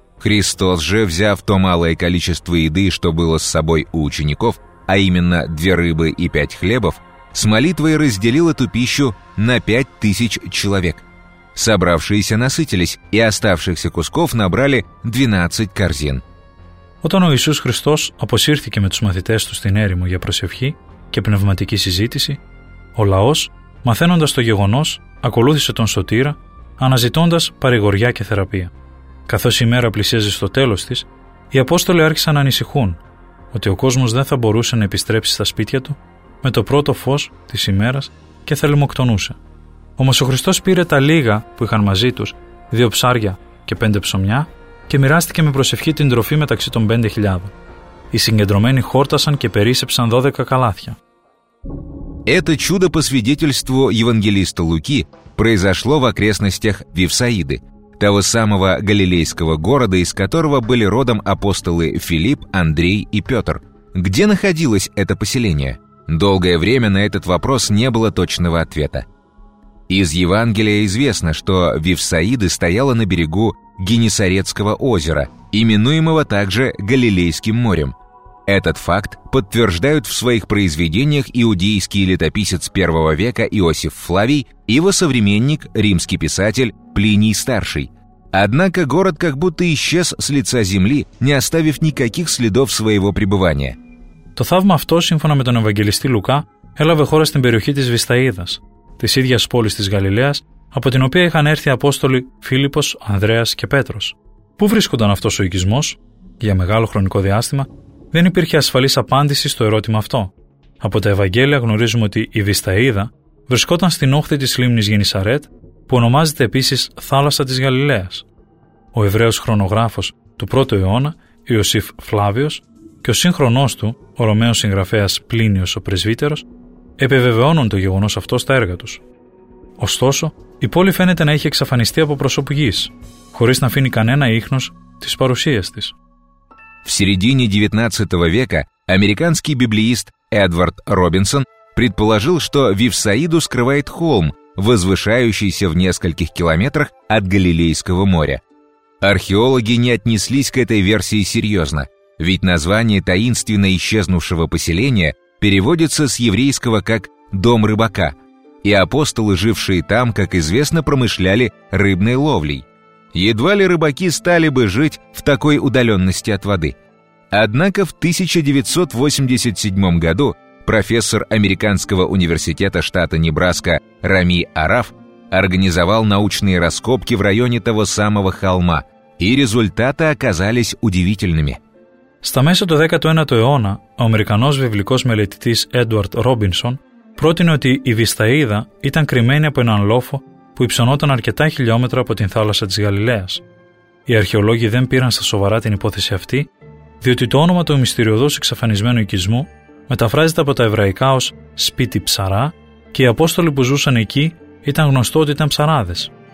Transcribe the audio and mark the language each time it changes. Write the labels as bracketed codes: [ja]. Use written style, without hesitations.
[ru] Христос же, взяв то малое количество еды, что было с собой у учеников, а именно 2 рыбы и 5 хлебов, с молитвой разделил эту пищу на 5000 человек. Собравшиеся насытились, и оставшихся кусков набрали 12 корзин. [el] Όταν ο Ιησούς Χριστός αποσύρθηκε με τους μαθητές του στην έρημο για προσευχή και πνευματική συζήτηση, ο λαός, μαθαίνοντας το γεγονός, ακολούθησε τον Σωτήρα, αναζητώντας παρηγοριά και θεραπεία. Καθώς η μέρα πλησίαζε στο τέλος της, οι Απόστολοι άρχισαν να ανησυχούν ότι ο κόσμος δεν θα μπορούσε να επιστρέψει στα σπίτια του με το πρώτο φως της ημέρας και θα λιμοκτονούσε. Όμως ο Χριστός πήρε τα λίγα που είχαν μαζί τους, 2 ψάρια και 5 ψωμιά, και μοιράστηκε με προσευχή την τροφή μεταξύ των 5.000. Οι συγκεντρωμένοι χόρτασαν και περίσσεψαν 12 καλάθια. [ru] Это чудо, по свидетельству Евангелиста Луки, произошло в окрестностях Вифсаиды, того самого галилейского города, из которого были родом апостолы Филипп, Андрей и Петр. Где находилось это поселение? Долгое время на этот вопрос не было точного ответа. Из Евангелия известно, что Вифсаида стояла на берегу Генесарецкого озера, именуемого также Галилейским морем. Этот факт подтверждают в своих произведениях иудейский летописец первого века Иосиф Флавий и его современник, римский писатель Плиний Старший. Однако город как будто исчез с лица земли, не оставив никаких следов своего пребывания. [el] То θαύμα αυτό, σύμφωνα με τον Ευαγγελιστή Λουκά, έλαβε χώρα στην περιοχή της Βυσταΐδας, της ίδιας πόλης της Γαλιλαίας, από την οποία είχαν έρθει Απόστολοι Φίλιππος, Ανδρέας και Πέτρος. Πού βρίσκονταν αυτός ο οικισμός, για μεγάλο χρονικό διάστημα, δεν υπήρχε ασφαλής απάντηση στο ερώτημα αυτό. Από τα Ευαγγέλια γνωρίζουμε ότι η Βυσταΐδα βρισκόταν στην όχθη της λίμνης Γενισαρέτ, που ονομάζεται επίσης Θάλασσα της Γαλιλαίας. Ο Εβραίος χρονογράφος του 1ου αιώνα, Ιωσήφ Φλάβιος, και ο σύγχρονός του, ο Ρωμαίος συγγραφέας Πλίνιος ο Πρεσβύτερος, επιβεβαιώνουν το γεγονός αυτό στα έργα τους. Ωστόσο, η πόλη φαίνεται να είχε εξαφανιστεί από προσώπου γης, χωρίς να αφήνει κανένα ίχνος της παρουσίας της. [ru] В середине 19 века американский библеист Эдвард Робинсон предположил, что Вифсаиду скрывает холм, возвышающийся в нескольких километрах от Галилейского моря. Археологи не отнеслись к этой версии серьезно, ведь название таинственно исчезнувшего поселения переводится с еврейского как «дом рыбака», и апостолы, жившие там, как известно, промышляли рыбной ловлей. Едва ли рыбаки стали бы жить в такой удаленности от воды. Однако в 1987 году профессор американского университета штата Небраска Рами Араф организовал научные раскопки в районе того самого холма, и результаты оказались удивительными. [el] Στα μέσα του 19ου αιώνα, ο Αμερικανός βιβλικός μελετητής Έντουαρντ Ρόμπινσον πρότεινε ότι η Βυσταΐδα ήταν κρυμμένη από έναν λόφο που υψωνόταν αρκετά χιλιόμετρα από την θάλασσα της Γαλιλαίας. Οι αρχαιολόγοι δεν πήραν στα σοβαρά την υπόθεση αυτή, διότι το όνομα του μυστηριωδούς εξαφανισμένου οικισμού μεταφράζεται από τα εβραϊκά ως «σπίτι ψαρά» και οι Απόστολοι που ζούσαν εκεί ήταν γνωστό ότι ήταν ψαράδες.